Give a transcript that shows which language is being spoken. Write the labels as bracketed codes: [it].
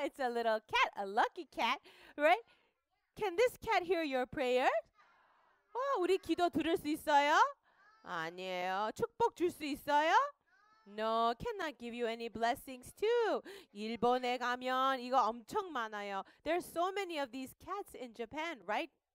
[en] It's a little cat, a lucky cat, right? Can this cat hear your prayer? [ko] 우리 기도 들을 수 있어요? 아니에요. 축복 줄수 있어요? [en] No, cannot give you any blessings too. [ko] 일본에 가면 이거 엄청 많아요. [en] There are so many of these cats in Japan, right?